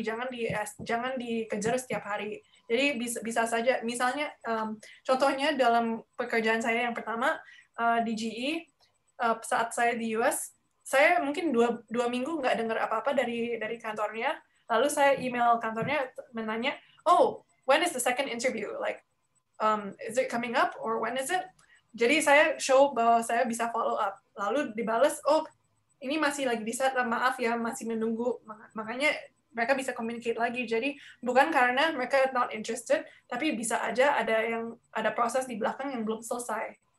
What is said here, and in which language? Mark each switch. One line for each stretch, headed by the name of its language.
Indonesian: Jangan dikejar setiap hari. Jadi bisa saja, misalnya contohnya dalam pekerjaan saya yang pertama di GE, saat saya di US, saya mungkin dua minggu nggak dengar apa-apa dari kantornya. Lalu saya email kantornya menanya, oh,
English: when is the second interview? Like, is it coming up or when is it?
Indonesian: Jadi saya show bahwa saya bisa follow up. Lalu dibales, oh, ini masih lagi bisa, maaf ya, masih menunggu. Makanya mereka bisa communicate lagi. Jadi bukan karena mereka
English: not interested,
Indonesian: tapi bisa aja ada proses di belakang yang belum selesai.